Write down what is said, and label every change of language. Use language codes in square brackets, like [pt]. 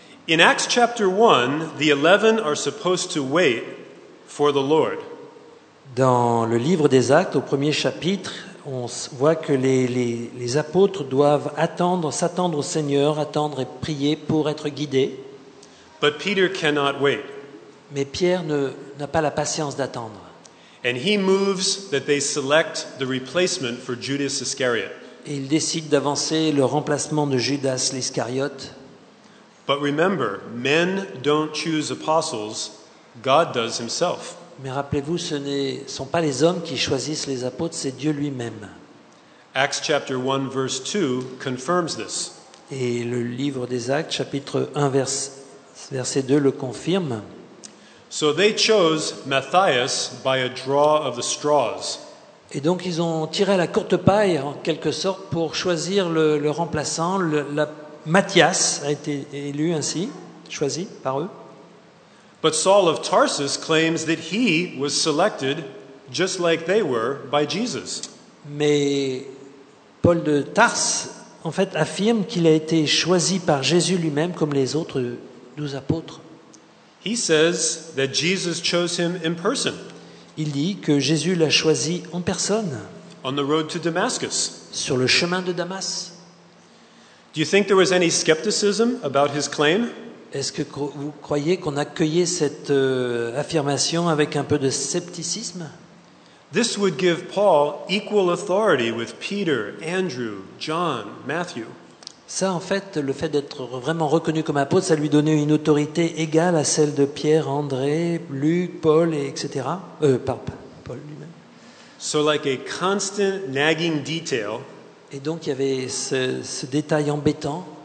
[en] In Acts chapter 1, the 11 are supposed to wait for the Lord. [fr] Dans le livre des Actes, au premier chapitre, on voit que les apôtres doivent s'attendre au Seigneur, attendre et prier pour être guidés. [en] But Peter cannot wait. [fr] Mais Pierre n'a pas la patience d'attendre. [en] And he moves that they select the replacement for Judas Iscariot. [fr] Et il décide d'avancer le remplacement de Judas l'Iscariote. [en] But remember, men don't choose apostles, God does himself. [fr] Mais rappelez-vous, ce ne sont pas les hommes qui choisissent les apôtres, c'est Dieu lui-même. [en] Acts chapter 1 verse 2 confirms this. [fr] Et le livre des Actes chapitre 1 verset 2 le confirme. [en] So they chose Matthias by a draw of the straws. [fr] Et donc ils ont tiré à la courte paille en quelque sorte pour choisir le remplaçant, Matthias a été élu ainsi, choisi par eux. [en] But Saul of Tarsus claims that he was selected just like they were by Jesus. [fr] Mais Paul de Tarse en fait affirme qu'il a été choisi par Jésus lui-même comme les autres 12 apôtres. [en] He says that Jesus chose him in person. [fr] Il dit que Jésus l'a choisi en personne. [en] On the road to Damascus. [fr] Sur le chemin de Damas. [en] Do you think there was any skepticism about his claim? [fr] Est-ce que vous croyez qu'on accueillait cette affirmation avec un peu de scepticisme? [en] This would give Paul equal authority with Peter, Andrew, John, Matthew. [fr] Ça, en fait, le fait d'être vraiment reconnu comme apôtre, ça lui donnait une autorité égale à celle de Pierre, André, Luc, Paul, etc. Paul lui-même. [en] So like a constant nagging detail. [fr] Et donc il y avait ce détail embêtant.